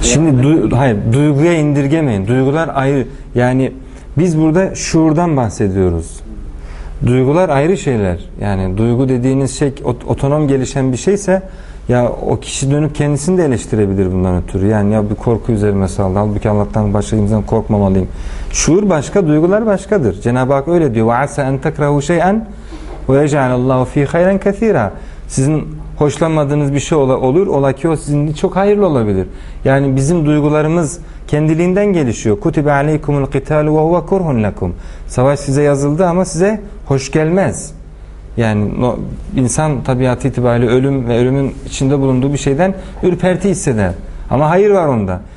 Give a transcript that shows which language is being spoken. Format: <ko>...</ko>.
<tr>Şimdi hayır, duyguya indirgemeyin. Duygular ayrı. Yani biz burada şuurdan bahsediyoruz. Duygular ayrı şeyler. Yani duygu dediğiniz şey otonom gelişen bir şeyse, ya o kişi dönüp kendisini de eleştirebilir bundan ötürü. Yani ya bir korku üzerime saldı. Halbuki Allah'tan başlayayım, korkmamalıyım. Şuur başka, duygular başkadır. Cenab-ı Hak öyle diyor.</tr> <ar>وَعَسَا اَنْ تَكْرَهُ شَيْئًا وَيَجَعَلَ اللّٰهُ ف۪ي خَيْرًا كَث۪يرًا.</ar> <tr>Sizin hoşlanmadığınız bir şey olur. Ola ki o sizin için çok hayırlı olabilir. Yani bizim duygularımız kendiliğinden gelişiyor.</tr> <ar>كُتِبَ عَلَيْكُمُ الْقِتَالُ وَهُوَ كُرْهٌ لَكُمْ.</ar> <tr>Savaş size yazıldı ama size hoş gelmez. Yani insan tabiatı itibariyle ölüm ve ölümün içinde bulunduğu bir şeyden ürperti hisseder. Ama hayır var onda.</tr>